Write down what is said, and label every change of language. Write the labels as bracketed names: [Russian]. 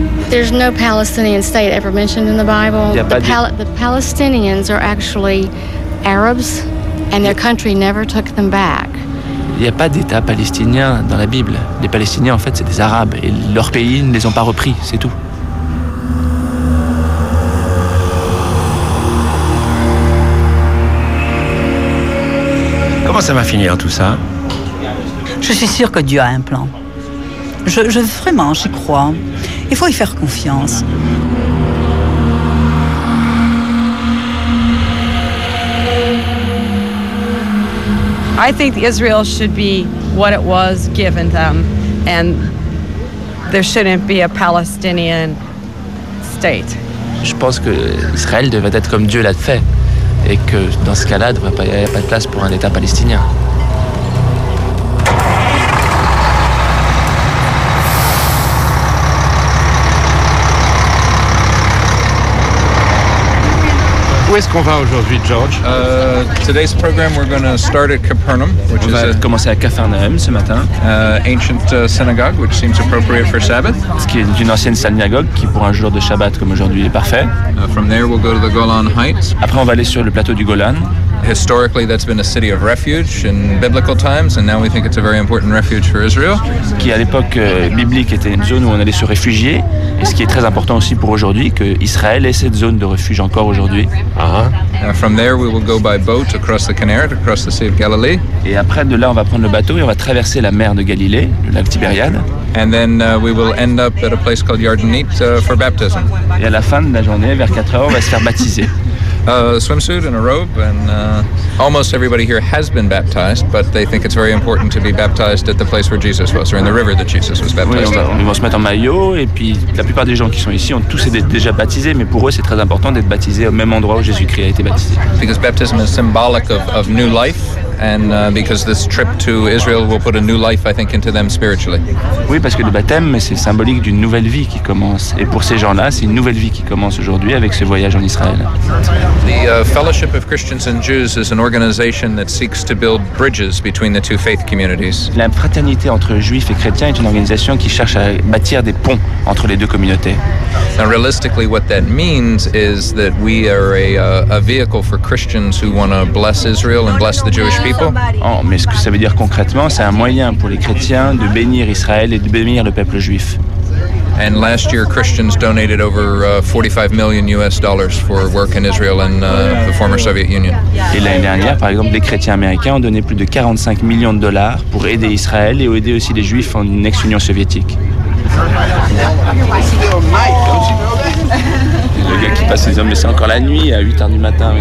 [English] There's no Palestinian state ever mentioned in the Bible. The Palestinians are actually Arabs, and their country never took them back. [French] Il n'y a pas d'État palestinien dans la Bible. Les Palestiniens, en fait, c'est des Arabes. Et leur pays ne les ont pas repris, c'est tout. Comment ça va finir, tout ça ? Je suis sûre que Dieu a un plan. Vraiment, j'y crois. Il faut y faire confiance. [English] I think Israel should be what it was given them, and there shouldn't be a Palestinian state. [French] Je pense que Israël devrait être comme Dieu l'a fait, et que dans ce cas-là, il n'y a pas de place pour un État palestinien. Où est-ce qu'on va aujourd'hui, George? [English] Today's program, we're going to start at Capernaum, which on is [French] va commencer à Capernaum ce matin. [English] Ancient synagogue, which seems appropriate for Sabbath. [French] Ce qui est une ancienne synagogue qui pour un jour de Shabbat comme aujourd'hui est parfait. [English] From there, we'll go to the Golan Heights. [French] Après, on va aller sur le plateau du Golan. [English] Historically, that's been a city of refuge in biblical times, and now we think it's a very important refuge for Israel. [French] Qui à l'époque biblique était une zone où on allait se réfugier, et ce qui est très important aussi pour aujourd'hui, que Israël ait cette zone de refuge encore aujourd'hui. [English] From there, we will go by boat across the Kinneret, across the Sea of Galilee. [French] Et après de là, on va prendre le bateau et on va traverser la mer de Galilée, le lac Tibériade. [English] And then we will end up at a place called Yardenit for baptism. [French] Et à la fin de la journée, vers 4 heures, on va se faire baptiser. [English] A swimsuit and a robe, and almost everybody here has been baptized, but they think it's very important to be baptized at the place where Jesus was, or in the river that Jesus was baptized. [French] Oui, on va se mettre en maillot, et puis la plupart des gens qui sont ici ont tous été déjà baptisés, mais pour eux c'est très important d'être baptisé au même endroit où Jésus-Christ a été baptisé. [English] Because baptism is symbolic of new life. And because this trip to Israel will put a new life, I think, into them spiritually. [French] Oui, parce que le baptême, c'est symbolique d'une nouvelle vie qui commence. Et pour ces gens-là, c'est une nouvelle vie qui commence aujourd'hui avec ce voyage en Israël. [English] The Fellowship of Christians and Jews is an organization that seeks to build bridges between the two faith communities. [French] La fraternité entre juifs et chrétiens est une organisation qui cherche à bâtir des ponts entre les deux communautés. [English] Now, realistically, what that means is that we are a vehicle for Christians who want to bless Israel and bless the Jewish. [French] Oh, mais ce que ça veut dire concrètement, c'est un moyen pour les chrétiens de bénir Israël et de bénir le peuple juif. [English] And last year, Christians donated over $45 million for work in Israel and the former Soviet Union. [French] Et l'année dernière, par exemple, les chrétiens américains ont donné plus de $45 million pour aider Israël et aider aussi les juifs en une ex-Union soviétique. Le gars qui passe les hommes, mais c'est encore la nuit à 8h du matin.